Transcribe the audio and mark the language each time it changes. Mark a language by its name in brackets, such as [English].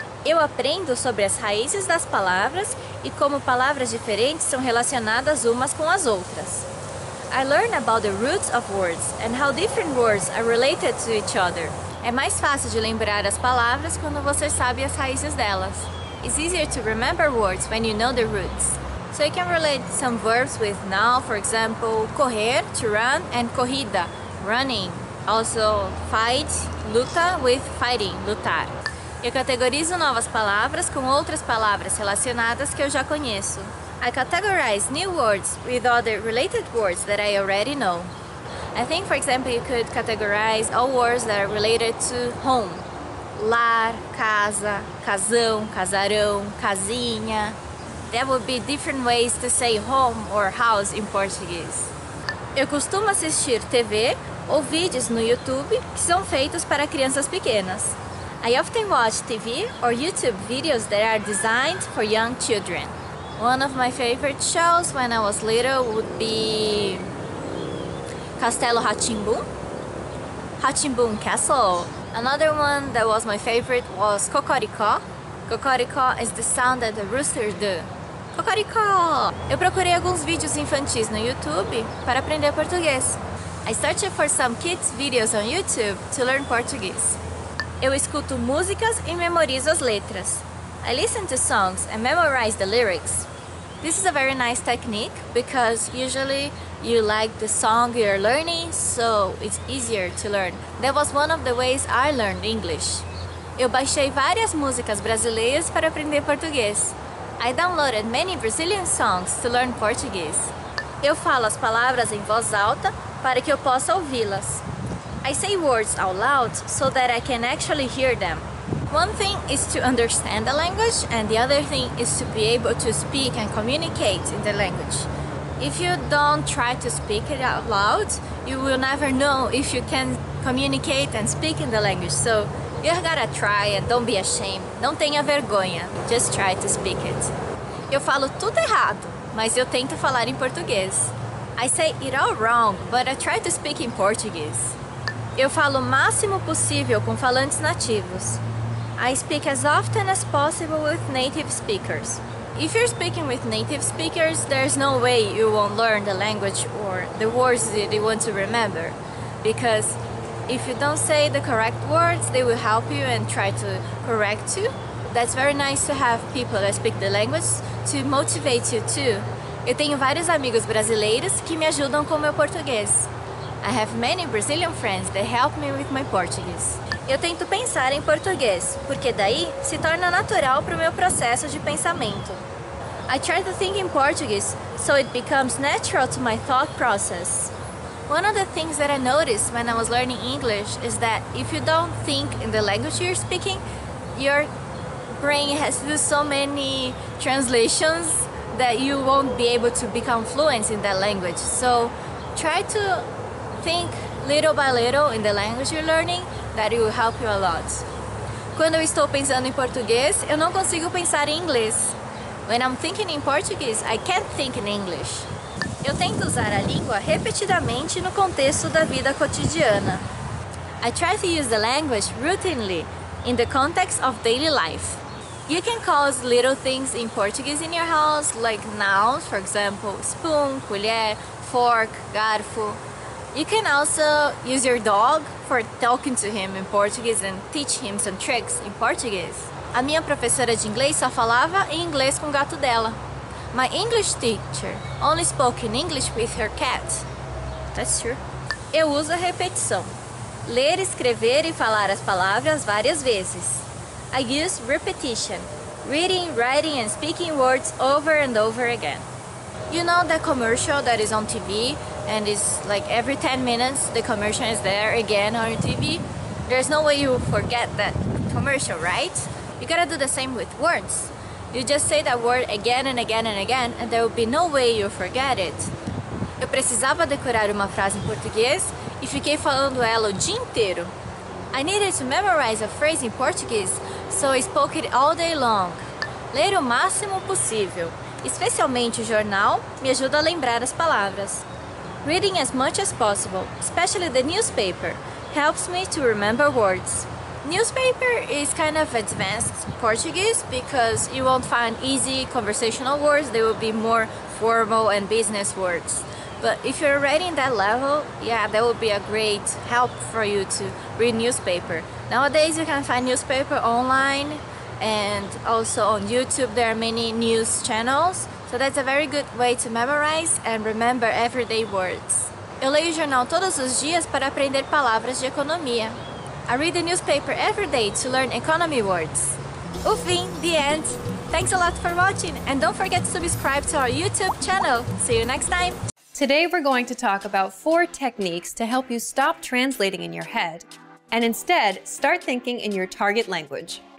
[Portuguese] Eu aprendo sobre as raízes das palavras e como palavras diferentes são relacionadas umas com as outras. [English] I learn about the roots of words and how different words are related to each other. [Portuguese] É mais fácil de lembrar as palavras quando você sabe as raízes delas. [English] It's easier to remember words when you know the roots. So you can relate some verbs with now, for example, correr, to run, and corrida, running. Also, fight, luta, with fighting, lutar. [Portuguese] Eu categorizo novas palavras com outras palavras relacionadas que eu já conheço. [English] I categorize new words with other related words that I already know. I think, for example, you could categorize all words that are related to home. [Portuguese] Lar, casa, casão, casarão, casinha. [English] There would be different ways to say home or house in Portuguese. [Portuguese] Eu costumo assistir TV ou vídeos no YouTube que são feitos para crianças pequenas. [English] I often watch TV or YouTube videos that are designed for young children. One of my favorite shows when I was little would be Castelo Rá-Tim-Bum, Rá-Tim-Bum Castle. Another one that was my favorite was Cocoricó. Cocoricó is the sound that the rooster do. Cocoricó! [Portuguese] Eu procurei alguns vídeos infantis no YouTube para aprender português. [English] I searched for some kids' videos on YouTube to learn Portuguese. [Portuguese] Eu escuto músicas e memorizo as letras. [English] I listen to songs and memorize the lyrics. This is a very nice technique because usually you like the song you're learning, so it's easier to learn. That was one of the ways I learned English. [Portuguese] Eu baixei várias músicas brasileiras para aprender português. [English] I downloaded many Brazilian songs to learn Portuguese. [Portuguese] Eu falo as palavras em voz alta para que eu possa ouvi-las. [English] I say words out loud so that I can actually hear them. One thing is to understand the language, and the other thing is to be able to speak and communicate in the language. If you don't try to speak it out loud, you will never know if you can communicate and speak in the language. So you gotta try and don't be ashamed. [Portuguese] Não tenha vergonha. [English] Just try to speak it. [Portuguese] Eu falo tudo errado, mas eu tento falar em português. [English] I say it all wrong, but I try to speak in Portuguese. [Portuguese] Eu falo o máximo possível com falantes nativos. [English] I speak as often as possible with native speakers. If you're speaking with native speakers, there's no way you won't learn the language or the words that you want to remember. Because if you don't say the correct words, they will help you and try to correct you. That's very nice to have people that speak the language to motivate you too. [Portuguese] Eu tenho vários amigos brasileiros que me ajudam com meu português. [English] I have many Brazilian friends that help me with my Portuguese. [Portuguese] Eu tento pensar em português, porque daí se torna natural para o meu processo de pensamento. [English] I try to think in Portuguese, so it becomes natural to my thought process. One of the things that I noticed when I was learning English is that if you don't think in the language you're speaking, your brain has to do so many translations that you won't be able to become fluent in that language. So try to think little by little in the language you're learning. That will help you a lot. [Portuguese] Quando eu estou pensando em português, eu não consigo pensar em inglês. [English] When I'm thinking in Portuguese, I can't think in English. [Portuguese] Eu tento usar a língua repetidamente no contexto da vida cotidiana. [English] I try to use the language routinely in the context of daily life. You can call little things in Portuguese in your house, like nouns, for example, spoon, colher, fork, garfo. You can also use your dog for talking to him in Portuguese and teach him some tricks in Portuguese. [Portuguese] A minha professora de inglês só falava em inglês com o gato dela. [English] My English teacher only spoke in English with her cat. That's true. [Portuguese] Eu uso a repetição. Ler, escrever e falar as palavras várias vezes. [English] I use repetition. Reading, writing and speaking words over and over again. You know that commercial that is on TV? And it's like every 10 minutes the commercial is there again on your TV. There's no way you forget that commercial, right? You gotta do the same with words. You just say that word again and again and again, and there will be no way you forget it. [Portuguese] Eu precisava decorar uma frase em português e fiquei falando ela o dia inteiro. [English] I needed to memorize a phrase in Portuguese, so I spoke it all day long. [Portuguese] Ler o máximo possível, especialmente o jornal, me ajuda a lembrar as palavras. [English] Reading as much as possible, especially the newspaper, helps me to remember words. Newspaper is kind of advanced Portuguese because you won't find easy conversational words. They will be more formal and business words. But if you're already in that level, yeah, that would be a great help for you to read newspaper. Nowadays, you can find newspaper online and also on YouTube. There are many news channels. So that's a very good way to memorize and remember everyday words. [Portuguese] Eu leio o jornal todos os dias para aprender palavras de economia. [English] I read the newspaper every day to learn economy words. [Portuguese] O fim, [English] the end. Thanks a lot for watching and don't forget to subscribe to our YouTube channel. See you next time. Today we're going to talk about four techniques to help you stop translating in your head and instead start thinking in your target language.